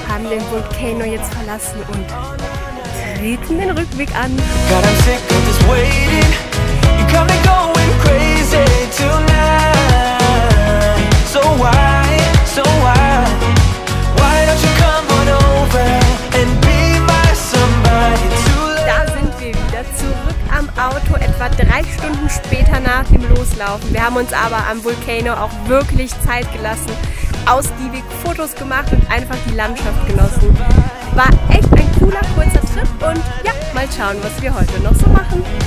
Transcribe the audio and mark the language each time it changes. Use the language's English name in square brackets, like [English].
[German] Den Volcano jetzt verlassen und treten den Rückweg an. [English] God, I'm sick of this waiting. You got me going crazy tonight. So why, so why? Why don't you come on over and be my somebody to love? [German] Da sind wir wieder zurück am Auto, etwa 3 Stunden später nach dem Loslaufen. Wir haben uns aber am Volcano auch wirklich Zeit gelassen, ausgiebig Fotos gemacht und einfach die Landschaft genossen. War echt ein cooler, kurzer Trip und ja, mal schauen, was wir heute noch so machen.